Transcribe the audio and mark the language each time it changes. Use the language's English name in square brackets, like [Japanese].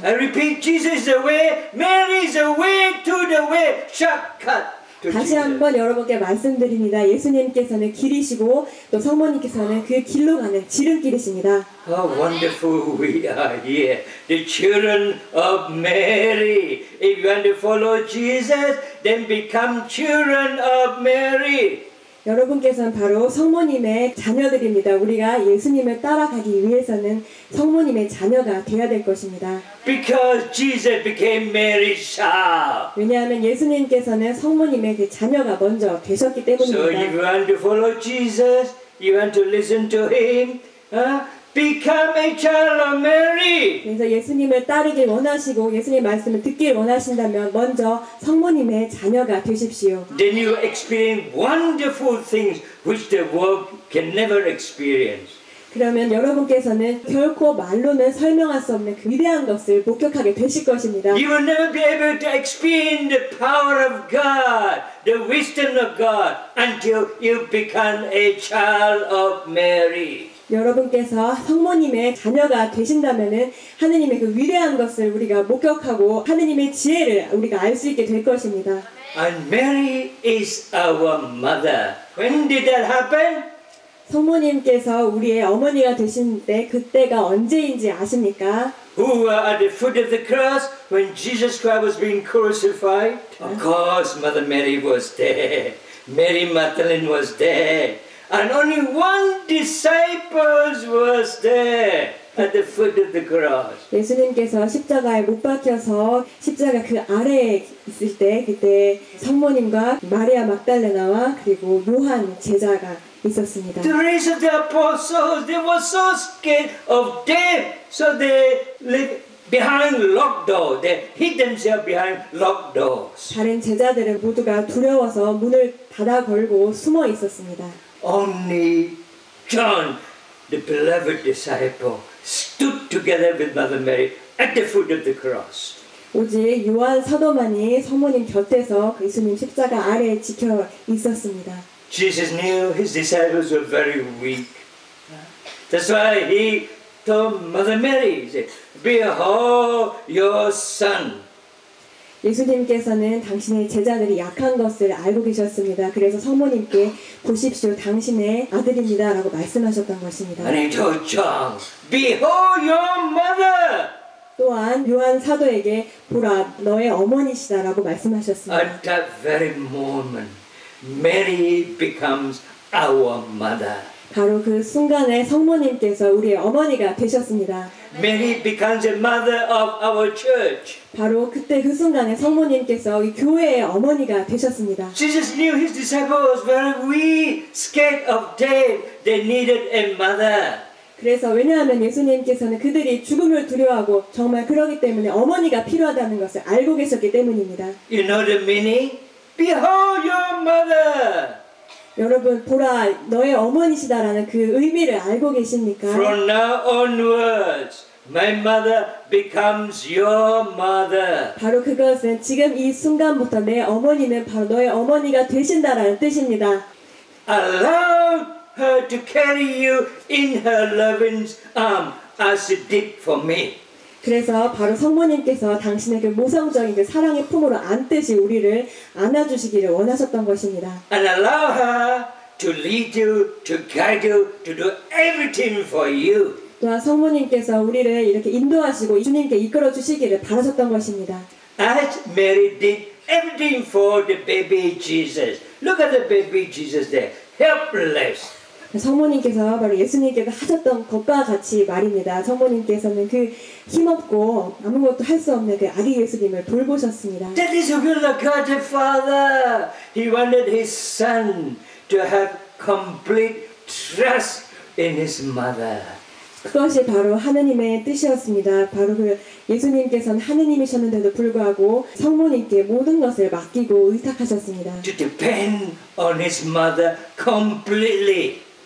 [English] I repeat, Jesus is the way. Mary is the way to the way. Shortcut. [Korean] 다시 한번 여러분께 말씀드립니다. 예수님께서는 길이시고 또 성모님께서는 그 길로 가는 지름길이십니다. [English] How wonderful we are here, the children of Mary. If you want to follow Jesus, then become children of Mary. [Korean] 여러분께서는 바로 성모님의 자녀들입니다. 우리가 예수님을 따라가기 위해서는 성모님의 자녀가 되어야 될 것입니다. [English] Because Jesus became Mary's child. [Korean] 왜냐하면 예수님께서는 성모님의 그 자녀가 먼저 되셨기 때문입니다. [English] So if you want to follow Jesus, you want to listen to him, Become a child of Mary. [Korean] 그래서 예수님을 따르길 원하시고 예수님의 말씀을 듣길 원하신다면 먼저 성모님의 자녀가 되십시오. [English] Then you experience wonderful things which the world can never experience. [Korean] 그러면 여러분께서는 결코 말로는 설명할 수 없는 위대한 것을 목격하게 되실 것입니다. [English] You will never be able to experience the power of God, the wisdom of God, until you become a child of Mary. [Korean] 여러분께서 성모님의 자녀가 되신다면은 하느님의 그 위대한 것을 우리가 목격하고 하느님의 지혜를 우리가 알 수 있게 될 것입니다. [English] And Mary is our mother. When did that happen? [Korean] 성모님께서 우리의 어머니가 되신 때 그때가 언제인지 아십니까? [English] Who were at the foot of the cross when Jesus Christ was being crucified? Of course, Mother Mary was there. Mary Magdalene was there. And only one disciple was there at the foot of the cross. [Korean] 예수님께서 십자가에 못 박혀서 십자가 그 아래에 있을 때 그때 성모님과 마리아 막달레나와 그리고 요한 제자가 있었습니다. [English] The rest of the apostles, they were so scared of death, so they lived behind locked door. They hid themselves behind locked doors. [Korean] 다른 제자들은 모두가 두려워서 문을 닫아 걸고 숨어 있었습니다. [English] Only John, the beloved disciple, stood together with Mother Mary at the foot of the cross. [Korean] 오직 요한 사도만이 성모님 곁에서 예수님 십자가 아래 지켜 있었습니다. [English] Jesus knew his disciples were very weak. That's why he told Mother Mary, he said, "Behold your son." [Korean] 예수님께서는 당신의 제자들이 약한 것을 알고 계셨습니다. 그래서 성모님께 보십시오, 당신의 아들입니다라고 말씀하셨던 것입니다. [English] And he told John, "Behold your mother." [Korean] 또한 요한 사도에게 보라, 너의 어머니시다라고 말씀하셨습니다. [English] At that very moment, Mary becomes our mother. [Korean] 바로 그 순간에 성모님께서 우리의 어머니가 되셨습니다. [English] Mary becomes the mother of our church. [Korean] 바로 그때 그 순간에 성모님께서 이 교회의 어머니가 되셨습니다. [English] Jesus knew his disciples were weak, scared of death. They needed a mother. [Korean] 그래서 왜냐하면 예수님께서는 그들이 죽음을 두려워하고 정말 그러기 때문에 어머니가 필요하다는 것을 알고 계셨기 때문입니다. [English] You know the meaning? Behold your mother. [Korean] 여러분 보라 너의 어머니시다라는 그 의미를 알고 계십니까? [English] From now onwards, my mother becomes your mother. [Korean] 바로 그것은 지금 이 순간부터 내 어머니는 바로 너의 어머니가 되신다라는 뜻입니다. [English] Allow her to carry you in her loving arm as she did for me. [Korean] 그래서 바로 성모님께서 당신에게 모성적인 그 사랑의 품으로 안듯이 우리를 안아주시기를 원하셨던 것입니다. [English] And allow her to lead you, to guide you, to do everything for you. [Korean] 또한 성모님께서 우리를 이렇게 인도하시고 주님께 이끌어 주시기를 바라셨던 것입니다. [English] As Mary did everything for the baby Jesus. Look at the baby Jesus there, helpless. [Korean] 성모님께서 바로 예수님께서 하셨던 것과 같이 말입니다. 성모님께서는 그 힘없고 아무것도 할 수 없는 그 아기 예수님을 돌보셨습니다. [English] That is the will of God the Father. He wanted his son to have complete trust in his mother. [Korean] 그것이 바로 하느님의 뜻이었습니다. 바로 그 예수님께서는 하느님이셨는데도 불구하고 성모님께 모든 것을 맡기고 의탁하셨습니다. [English] To depend on his mother completely.